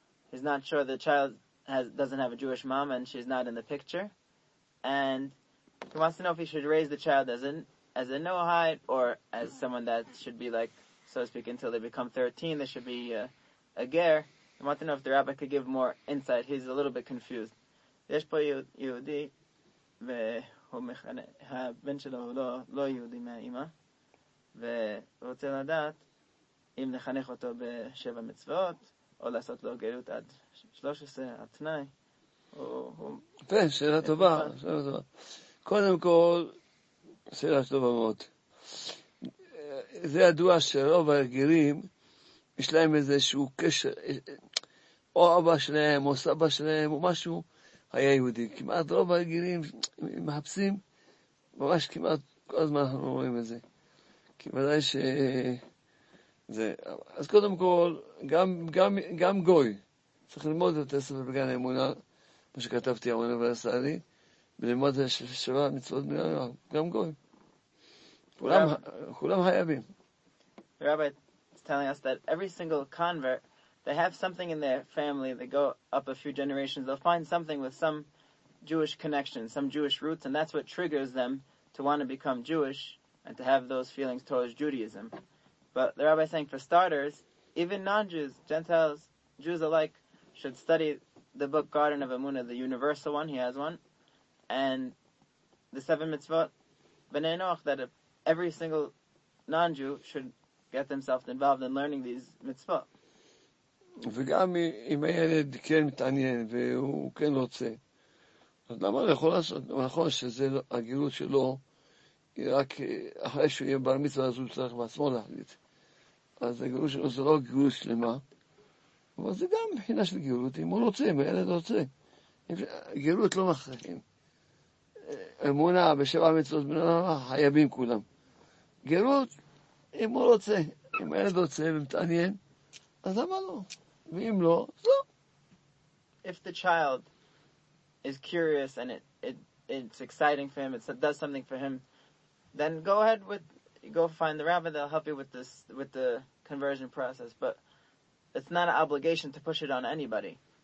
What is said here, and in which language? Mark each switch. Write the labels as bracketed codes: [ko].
[en] He's not sure the child doesn't have a Jewish mom and she's not in the picture. And he wants to know if he should raise the child as a Noahide or as someone that should be like, so to speak, until they become 13, they should be a ger. He wants to know if the rabbi could give more insight. He's a little bit confused. [he] יש פה יהודי והוא מכנה, הבן שלו הוא לא יהודי מהאימא ורוצה לדעת אם לחנך אותו בשבע מצוות או לעשות לו גלות עד 13, התנאי. שאלה טובה, שאלה טובה. קודם כל, שאלה טובה מאוד. זה ידוע שרוב הגרים יש להם איזשהו קשר, או אבא שלהם או סבא שלהם או משהו, היה יהודי. כמעט רוב הגירים מחפשים, ממש כמעט כל הזמן אנחנו רואים את זה. כי ודאי שזה... אז קודם כל, גם גוי, צריך ללמוד את הספר בגן האמונה, מה שכתבתי על האוניברסלי, וללמוד את השבע מצוות בגן האמונה, גם גוי. כולם חייבים. [en] Rabbi is telling us that every single convert, they have something in their family, they go up a few generations, they'll find something with some Jewish connection, some Jewish roots, and that's what triggers them to want to become Jewish and to have those feelings towards Judaism. But the rabbi is saying, for starters, even non-Jews, Gentiles, Jews alike, should study the book Garden of Emuna, the universal one, he has one, and the seven mitzvot, b'nei noach, that every single non-Jew should get themselves involved in learning these mitzvot. [he] וגם אם הילד כן מתעניין והוא כן רוצה, אז למה הוא יכול לעשות? נכון שזה הגירות שלו, היא רק אחרי שהוא יהיה בר מצווה, אז הוא צריך בעצמו להחליט. אז הגירות שלו זה לא גירות שלמה, אבל זה גם מבחינה של גירות, אם הוא רוצה, אם הילד רוצה. גירות לא מכרחים. אמונה בשבע מצוות, חייבים כולם. גירות, אם הוא רוצה, אם הילד רוצה ומתעניין, אז למה לא? ואם לא, לא. [en] If the child is curious and it's exciting for him, it does something for him, then go find the rabbi, they'll help you with the conversion process. But it's not an obligation to push it on anybody.